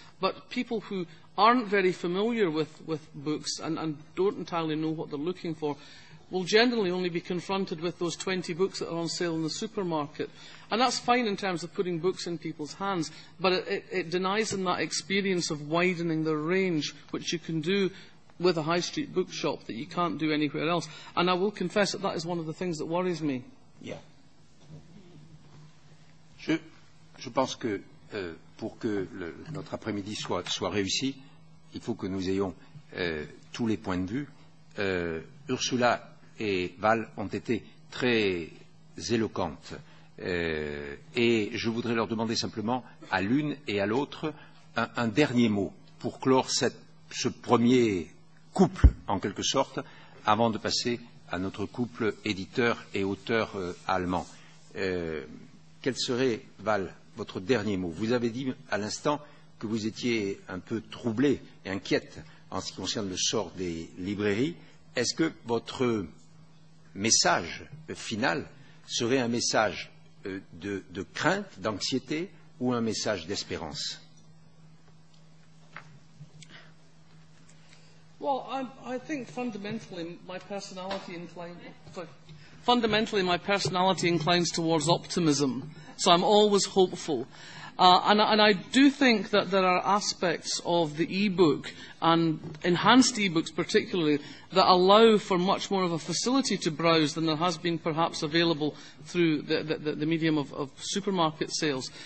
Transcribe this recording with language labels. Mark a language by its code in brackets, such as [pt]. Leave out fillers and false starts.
[en] But people who aren't very familiar with books and don't entirely know what they're looking for will generally only be confronted with those 20 books that are on sale in the supermarket. And that's fine in terms of putting books in people's hands, but it denies them that experience of widening the range, which you can do with a high street bookshop that you can't do anywhere else. And I will confess that that is one of the things that worries me. Yeah. [fr] Je pense que pour que notre après-midi soit réussi, il faut que nous ayons tous les points de vue. Ursula et Val ont été très éloquentes et je voudrais leur demander simplement à l'une et à l'autre un dernier mot pour clore ce premier couple, en quelque sorte, avant de passer à notre couple éditeur et auteur allemand. Quel serait, Val, votre dernier mot? Vous avez dit à l'instant que vous étiez un peu troublé et inquiète en ce qui concerne le sort des librairies. Est-ce que votre message final serait un message de crainte, d'anxiété, ou un message d'espérance? [en] Well, I think fundamentally my personality inclines towards optimism, so I'm always hopeful. And I do think that there are aspects of the e-book, and enhanced e-books particularly, that allow for much more of a facility to browse than there has been perhaps available through the medium of supermarket sales.